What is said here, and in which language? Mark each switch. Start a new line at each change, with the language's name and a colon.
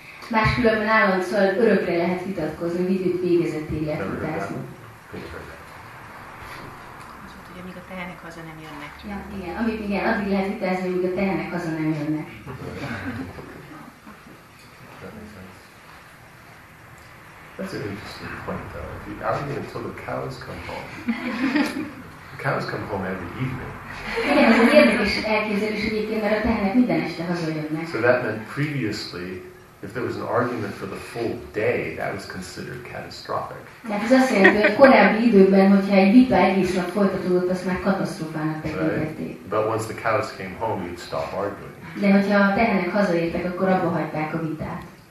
Hungarian: Máskülönben állandó, szóval örökre lehet vitatkozni, vidük végezettél lehet vitázni. Amíg a tehenek haza nem jönnek. Igen, addig lehet vitázni, amíg a tehenek haza nem jönnek.
English: That's an interesting point though. If you argue until the cows come home. The cows come home every evening.
Hungarian: Igen, ez egy érdekes elképzelés egyébként, mert a tehenek minden este hazajönnek.
English: So that meant previously, if there was an argument for the full day, that was considered catastrophic.
Hungarian: Tehát ez azt jelenti, hogy korábbi időben, hogyha egy vita egész nap folytatódott, azt már katasztrófának tekintették.
English: Right? But once the cows came home, you'd stop arguing. De hogyha a tehenek hazaértek, akkor abba hagyták a vitát.